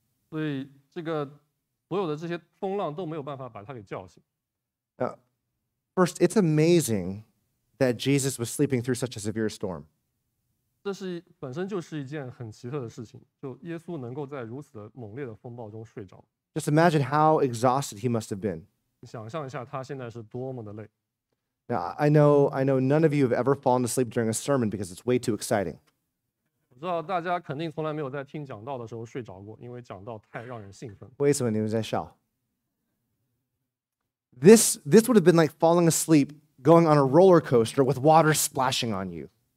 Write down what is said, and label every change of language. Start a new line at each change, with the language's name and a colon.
Chinese: 所以这个所有的这些风浪都没有办法把他给叫醒。
English: Now, First, it's amazing that Jesus was sleeping through such a severe storm.
Chinese: 这本身就是一件很奇特的事情，就耶稣能够在如此的猛烈的风暴中睡着。
English: Just imagine how exhausted he must have been.
Chinese: 想象一下他现在是多么的累。
English: Now, I know none of you have ever fallen asleep during a sermon because it's way too exciting.
Chinese: 我知道大家肯定从来没有在听讲道的时候睡着过，因为讲道太让人兴奋。为什么你们在笑？
English: This would have been like falling asleep going on a roller coaster with water splashing on you.